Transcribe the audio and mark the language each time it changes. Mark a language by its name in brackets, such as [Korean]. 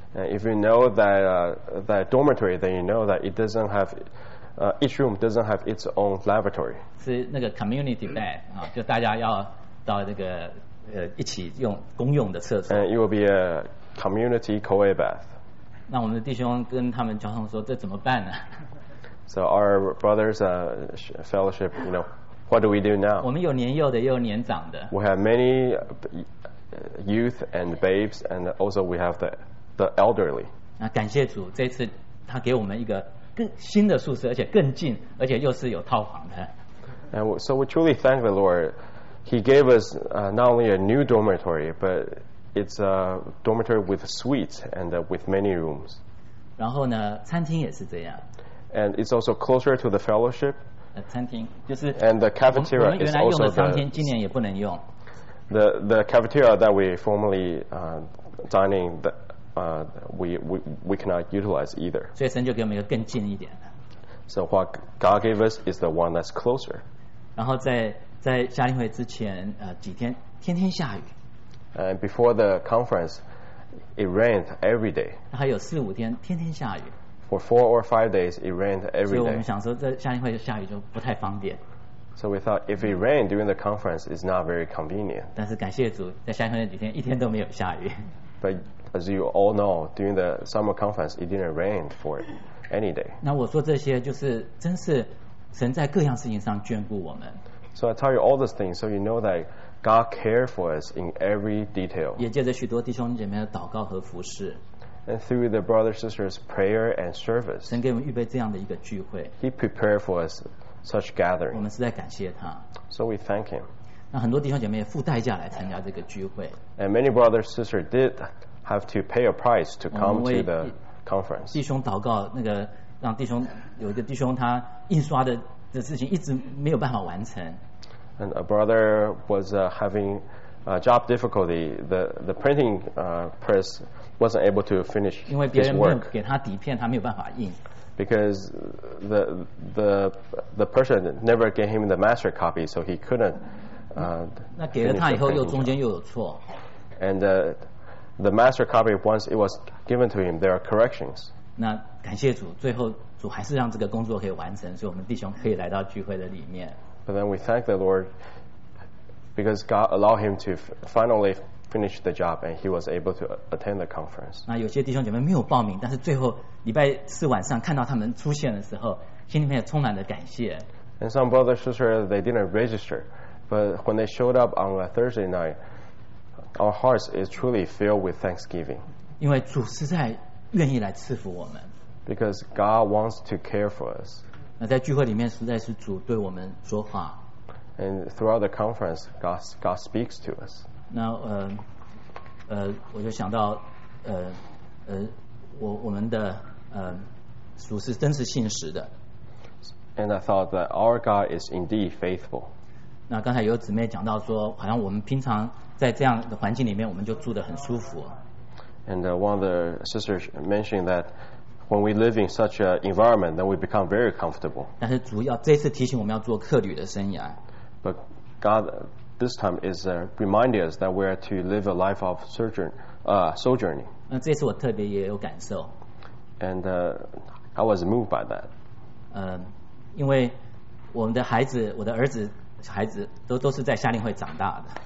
[English] If you know that dormitory, then you know that it doesn't have each room doesn't have its own lavatory. [Chinese] 是那个 [English] community bed [Chinese] 啊，就大家要到那个一起用公用的厕所。 [English] And it will be a community co-ed bath. [Chinese] 那我们的弟兄跟他们交通说，这怎么办呢 [English] ？So our brothers, fellowship, you know, what do we do now? [Chinese] 我们有年幼的，也有年长的。 [English] We have many youth and babes, and also we have the elderly. [Chinese] 那感谢主，这次他给我们一个更新的宿舍，而且更近，而且又是有套房的。 [English] And so we truly thank the Lord. He gave us not only a new dormitory, but It's a dormitory with suites and with many rooms. [Chinese] 然后呢，餐厅也是这样。 [English] And it's also closer to the fellowship. [Chinese] 餐厅，就是 [English] and the cafeteria [Chinese] 我们原来用的餐厅今年也不能用。 [English] The cafeteria that we formerly dining we cannot utilize either. [Chinese] 所以神就给我们一个更近一点的。 [English] So what God gave us is the one that's closer. [Chinese] 然后在夏令会之前几天天天下雨。 [English] And before the conference, it rained every day. [Chinese] 还有四五天天天下雨。 [English] For 4 or 5 days, it rained every day. [Chinese] 所以我们想说，在夏令会下雨就不太方便。 [English] So we thought if it rained during the conference, it's not very convenient. [Chinese] 但是感谢主，在夏令会那几天一天都没有下雨。 [English] But as you all know, during the summer conference, it didn't rain for any day. [Chinese] 那我说这些就是真是神在各样事情上眷顾我们。 [English] So I tell you all these things so you know that God cares for us in every detail. [Chinese] 也借着许多弟兄姐妹的祷告和服事。 [English] And through the brothers and sisters' prayer and service, [Chinese] 神给我们预备这样的一个聚会。 [English] He prepared for us such gathering. [Chinese] 我们实在感谢他。 [English] So we thank him. [Chinese] 那很多弟兄姐妹也付代价来参加这个聚会。 [English] And many brothers and sisters did have to pay a price to come to the conference. [Chinese] 弟兄祷告，那个让弟兄有一个弟兄他印刷的这事情一直没有办法完成。 [English] And a brother was having a job difficulty. The printing press wasn't able to finish his work. [Chinese] 因为别人没有给他底片，他没有办法印。 [English] Because the person never gave him the master copy, so he couldn't. [Chinese] 那给了他以后，又中间又有错。 [English] And the master copy once it was given to him, there are corrections. [Chinese] 那感谢主，最后主还是让这个工作可以完成，所以我们弟兄可以来到聚会的里面。 [English] But then we thank the Lord because God allowed him to finally finish the job and he was able to attend the conference. [Chinese] 那有些弟兄姐妹没有报名，但是最后礼拜四晚上看到他们出现的时候，心里面也充满了感谢。 [English] And some brothers and sisters, they didn't register. But when they showed up on a Thursday night, our hearts is truly filled with thanksgiving. [Chinese] 因为主实在愿意来赐福我们。 [English] Because God wants to care for us. [Chinese] 那在聚会里面实在是主对我们说话。 [English] And throughout the conference, God speaks to us. [Chinese] 那我就想到我们的主是真实信实的。 [English] And I thought that our God is indeed faithful. [Chinese] 那刚才有姊妹讲到说，好像我们平常在这样的环境里面，我们就住得很舒服。 [English] And one of the sisters mentioned that. When we live in such an environment, then we become very comfortable. [Chinese] 但是主要这次提醒我们要做客旅的生涯。 [English] But God, this time is reminding us that we are to live a life of sojourning. [Chinese] 那这次我特别也有感受。 [English] And I was moved by that. [Chinese] 因为我们的孩子，我的儿子、孩子都是在夏令会长大的。